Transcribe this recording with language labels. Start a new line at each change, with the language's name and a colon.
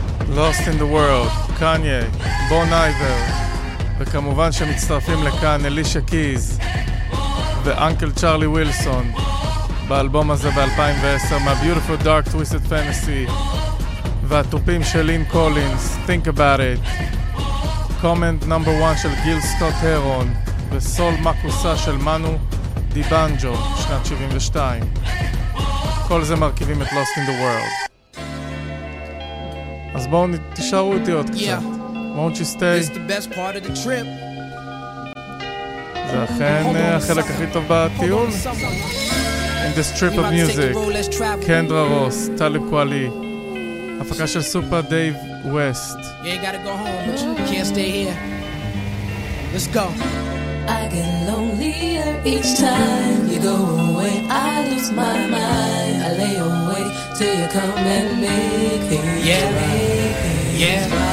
Hebrew: Lost in the World, קניה, בון אייבר, וכמובן שמצטרפים לכאן אלישה קיז ואנקל צ'רלי ווילסון באלבום הזה ב-2010 מה-Beautiful Dark Twisted Fantasy והטופים של לין קולינס, Think About It, Comment No. 1 של גיל סקוט הרון וסול מקוסה של מנו דיבנג'ו, שנת 72. כל זה מרכיבים את Lost in the World. אז בואו תשארו איתי עוד קצת.
English: Won't you stay? It's the best part of the trip.
Hebrew: זה אכן החלק הכי טוב בטיול.
English: In this trip of music,
Hebrew: קנדרה רוס, טלב קואלי, הפקה של סופר דייב ווסט.
English: You ain't gotta go home, but you can't stay here. Let's go. I get lonelier each time you go away. I lose my mind. I lay awake till you come and make it yeah. Right. Yeah.